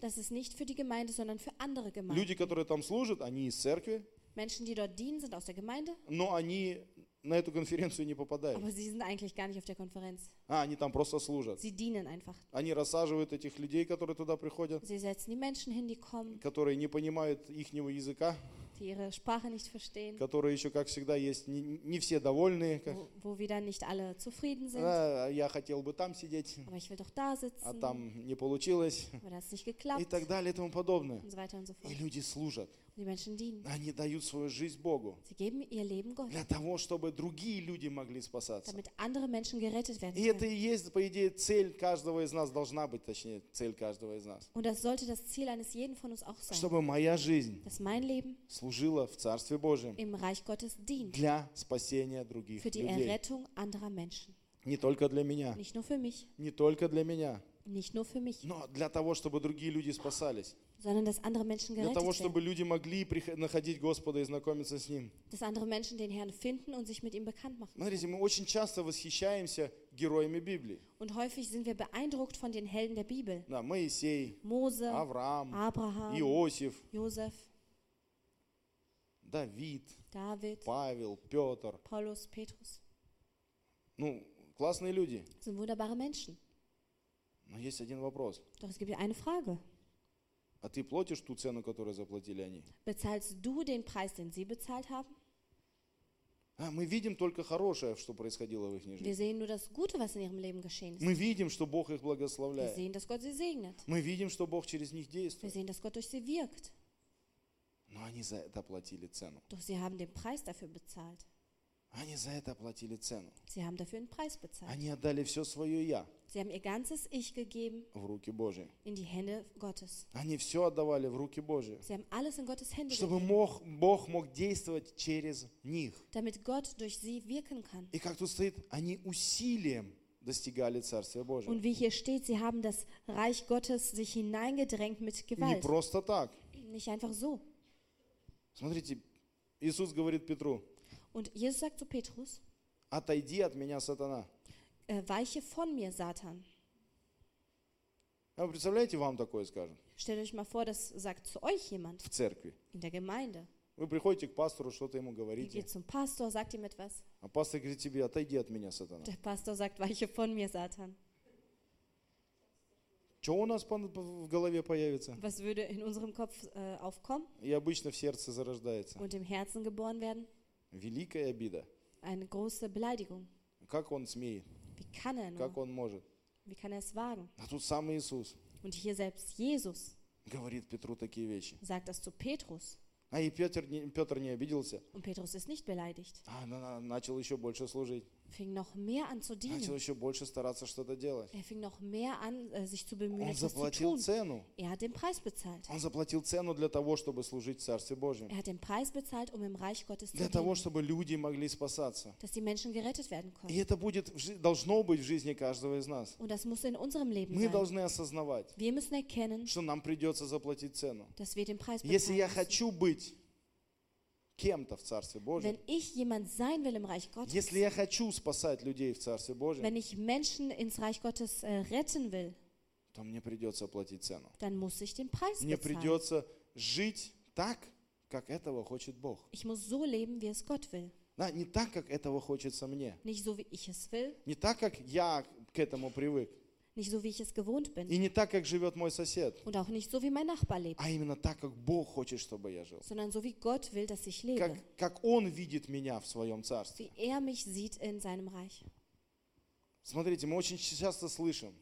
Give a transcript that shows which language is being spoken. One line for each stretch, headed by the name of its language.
German: Das ist nicht für die Gemeinde, sondern für andere Gemeinden.
Russian: Люди, которые там служат, они из церкви.
German: Menschen, die dort dienen, sind aus der Gemeinde.
Russian: Но они на эту конференцию не попадают.
German: Aber sie sind eigentlich gar nicht auf der Konferenz.
Russian: А, они там просто служат.
German: Sie dienen einfach.
Russian: Они рассаживают этих людей, которые туда приходят.
German: Sie setzen die Menschen hin, die kommen.
Russian: Которые не понимают ихнего языка.
German: Die ihre Sprache nicht verstehen.
Russian: Которые еще, как всегда, есть не все довольны.
German: Wo wieder nicht alle zufrieden sind.
Russian: А, я хотел бы там сидеть.
German: Aber ich will doch da sitzen.
Russian: А там не получилось.
German: Aber das nicht geklappt.
Russian: И так далее, и тому подобное.
German: Und so weiter und so fort.
Russian: И люди служат.
German: Die Menschen dienen.
Russian: Они дают свою жизнь Богу.
German: Sie geben ihr Leben Gott.
Russian: Для того, чтобы другие люди могли спасаться.
German: Damit andere Menschen gerettet werden können.
Russian: И это и есть, по идее, цель каждого из нас, должна быть, точнее, цель каждого из нас.
German: Und das sollte das Ziel eines jeden von uns auch sein.
Russian: Чтобы моя жизнь,
German: dass mein Leben
Russian: служила в Царстве Божьем,
German: im Reich Gottes dient.
Russian: Для спасения других людей.
German: Für die Errettung anderer Menschen.
Russian: Не только для меня.
German: Nicht nur für mich.
Russian: Не только для меня.
German: Nicht nur für mich.
Russian: Но для того, чтобы другие люди спасались.
German: Sondern dass andere Menschen gerettet
Russian: для того,
German: werden.
Russian: Чтобы люди могли находить Господа и знакомиться с Ним.
German: Dass andere Menschen den Herrn finden und sich mit ihm bekannt machen.
Russian: Смотрите, мы очень часто восхищаемся героями Библии.
German: Und häufig sind wir beeindruckt von den Helden der Bibel.
Russian: Да, Моисей,
German: Мозе,
Russian: Авраам,
German: Абрахам,
Russian: Иосиф,
German: Йозеф,
Russian: Давид,
German: Давид,
Russian: Павел, Петр.
German: Paulus, Petrus.
Russian: Ну, классные люди.
German: Sind wunderbare Menschen.
Russian: Но есть один вопрос.
German: Doch es gibt eine Frage.
Russian: А ты платишь ту цену, которую заплатили они?
German: Bezahlst du den Preis, den sie bezahlt haben?
Russian: А мы видим только хорошее, что происходило в их жизни.
German: Wir sehen nur das Gute, was in ihrem Leben geschehen ist.
Russian: Мы видим, что Бог их благословляет.
German: Wir sehen, dass Gott sie segnet.
Russian: Мы видим, что Бог через них действует.
German: Wir sehen, dass Gott durch sie wirkt.
Russian: Но они за это платили цену.
German: Doch sie haben den Preis dafür bezahlt.
Russian: Они за это платили цену.
German: Sie haben dafür einen Preis bezahlt.
Russian: Они отдали все свое «я».
German: Sie haben ihr ganzes Ich gegeben
Russian: в руки Божьи.
German: In die Hände Gottes.
Russian: Они все отдавали в руки Божьи.
German: Sie haben alles in Gottes Hände
Russian: чтобы
German: gegeben.
Russian: Мог, Бог мог действовать через них.
German: Damit Gott durch sie wirken kann.
Russian: И как тут стоит, они усилием достигали Царствия Божьего.
German: Und wie hier steht, sie haben das Reich Gottes sich hineingedrängt mit Gewalt.
Russian: Не просто так.
German: Nicht einfach so.
Russian: Смотрите, Иисус говорит Петру.
German: Und Jesus sagt zu Petrus,
Russian: отойди от меня, сатана.
German: Weiche von mir, Satan.
Russian: Ja, представляете, вам такое скажут?
German: Stellt euch mal vor, das sagt zu euch jemand.
Russian: В церкви.
German: In der Gemeinde.
Russian: Вы приходите к пастору, что-то ему говорите.
German: Ihr geht zum Pastor, sagt ihm etwas.
Russian: А пастор говорит тебе, отойди от меня, сатана.
German: Der Pastor sagt, weiche von mir, Satan.
Russian: Что у нас в голове появится?
German: Was würde in unserem Kopf aufkommen?
Russian: И обычно в сердце зарождается.
German: Und im Herzen geboren werden.
Russian: Великая обида.
German: Eine große Beleidigung.
Russian: Как он смеет?
German: Wie kann er nur?
Russian: Как он может?
German: Wie kann er es wagen?
Russian: А тут сам Иисус.
German: Und hier selbst Jesus.
Russian: Говорит Петру такие вещи.
German: Sagt das zu Petrus.
Russian: А и Петр не обиделся.
German: Und Petrus ist nicht beleidigt.
Russian: Начал еще больше служить.
German: Fing noch mehr an zu dienen.
Russian: Начал еще больше стараться что-то делать.
German: Er fing noch mehr an, sich zu bemühen,
Russian: он заплатил цену.
German: Er hat den Preis bezahlt.
Russian: Он заплатил цену для того, чтобы служить в Царстве Божьем.
German: Er hat den Preis bezahlt, im Reich Gottes zu dienen.
Russian: Для того, чтобы люди могли спасаться.
German: Dass die Menschen gerettet werden konnten.
Russian: И это будет, должно быть в жизни каждого из нас.
German: Und das muss in unserem Leben
Russian: Мы
German: sein.
Russian: Должны осознавать,
German: wir müssen erkennen,
Russian: что нам придется заплатить цену.
German: Dass wir den Preis bezahlen
Russian: Если
German: müssen.
Russian: Я хочу быть кем-то в Царстве Божьем.
German: Wenn ich jemand sein will im Reich Gottes.
Russian: Если я хочу спасать людей в Царстве Божьем.
German: Wenn ich Menschen ins Reich Gottes retten will.
Russian: То мне придется платить цену.
German: Dann muss ich den Preis bezahlen.
Russian: Мне придется жить так, как этого хочет Бог.
German: Ich muss so leben, wie es Gott will.
Russian: Да, не так, как этого хочется мне.
German: Nicht so, wie ich es will.
Russian: Не так, как я к этому привык.
German: Nicht so, wie ich es gewohnt bin.
Russian: И не так, как живет мой сосед.
German: Und auch nicht so, wie mein Nachbar lebt.
Russian: А именно так, как Бог хочет, чтобы я жил.
German: Sondern so, wie Gott will, dass ich lebe.
Russian: Как Он видит меня в своем царстве.
German: Wie er mich sieht in seinem Reich.
Russian: Смотрите, мы очень часто слышим.